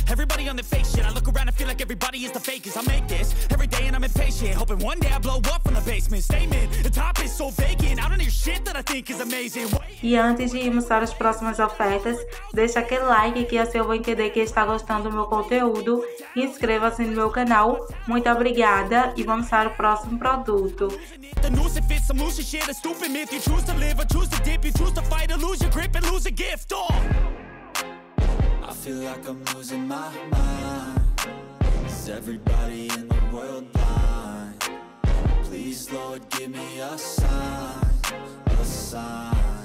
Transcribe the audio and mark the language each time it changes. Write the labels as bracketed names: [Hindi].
[English] Everybody on their fake shit. I look around and feel like everybody is the fakest. I make this every day and I'm impatient. Hoping one day I blow up from the basement. Statement, the top is so vacant. I don't need shit that I think is amazing. [Portuguese] E antes de irmos para as próximas ofertas, deixa aquele like que assim eu vou entender que está gostando do meu conteúdo. Inscreva-se no meu canal. Muito obrigada e vamos para o próximo produto. [English] The news if it's some loose shit, a stupid myth. You choose to live or choose to dip. You choose to fight or lose your grip and lose a gift. Oh. I feel like I'm losing my mind. Is everybody in the world blind? Please, Lord, give me a sign, a sign.